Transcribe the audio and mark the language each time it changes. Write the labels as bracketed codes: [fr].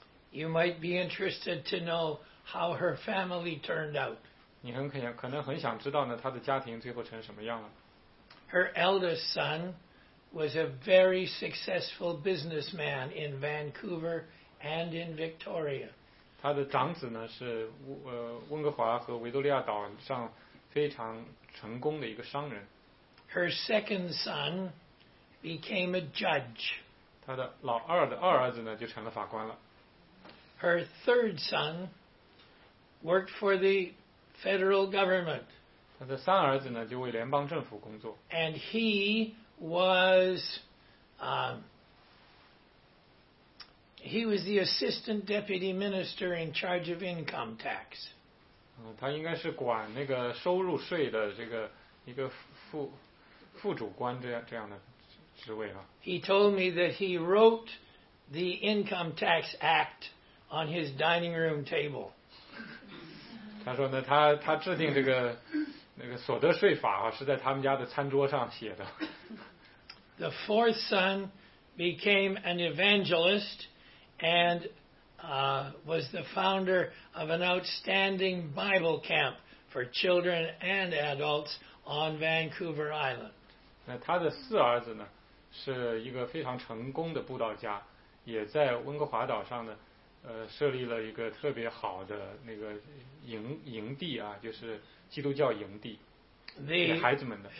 [en] You might be interested to know how her family turned out. [zh] 你很可能很想知道呢，她的家庭最后成什么样了。 [en] Her eldest son was a very successful businessman in Vancouver and in Victoria. [zh] 她的长子呢是温哥华和维多利亚岛上非常成功的一个商人。 [en] Her second son became a judge. [zh] 她的老二的二儿子呢就成了法官了。 [en] Her third son worked for the federal government. [zh] 他的三儿子呢，就为联邦政府工作。 [en] And he was, the assistant deputy minister in charge of income tax. [zh] 他应该是管那个收入税的这个一个副主官这样的职位啊。 [en] He told me that he wrote the Income Tax Act. On his dining room table. [zh] 他说呢，他制定这个那个所得税法啊，是在他们家的餐桌上写的。 [en] The fourth son became an evangelist and was the founder of an outstanding Bible camp for children and adults on Vancouver Island. [zh] 那他的四儿子呢，是一个非常成功的布道家，也在温哥华岛上呢。设立了一个特别好的那个营地啊，就是基督教营地，给孩子们的。